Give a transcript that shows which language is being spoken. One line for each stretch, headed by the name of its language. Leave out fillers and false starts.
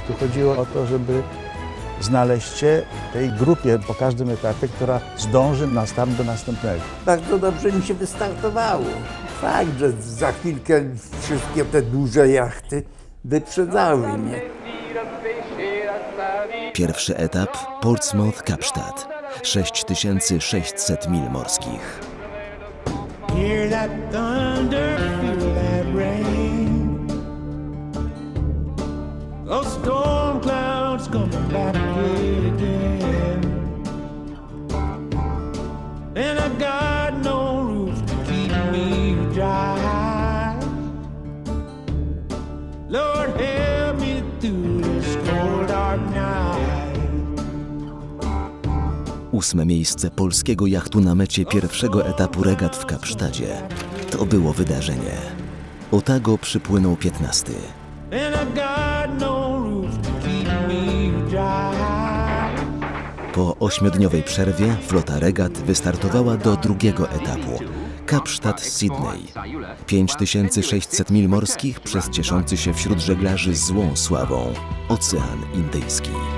Polish: Tu chodziło o to, żeby znaleźć się w tej grupie po każdym etapie, która zdąży na start do następnego. Bardzo dobrze mi się wystartowało. Fakt, że za chwilkę wszystkie te duże jachty wyprzedzały mnie. Pierwszy etap Portsmouth Kapsztat. 6600 mil morskich.
English: Hear that thunder, feel that rain. Those storm clouds coming back again. And I've got no roof to keep me dry. Lord, help me through this cold dark night.
Polish: Ósme miejsce polskiego jachtu na mecie pierwszego etapu regat w Kapsztadzie. To było wydarzenie. Otago przypłynął 15.
English: And I've got no roof to keep me dry.
Polish: Po ośmiodniowej przerwie flota regat wystartowała do drugiego etapu. Kapsztat Sydney. 5600 mil morskich przez cieszący się wśród żeglarzy złą sławą Ocean Indyjski.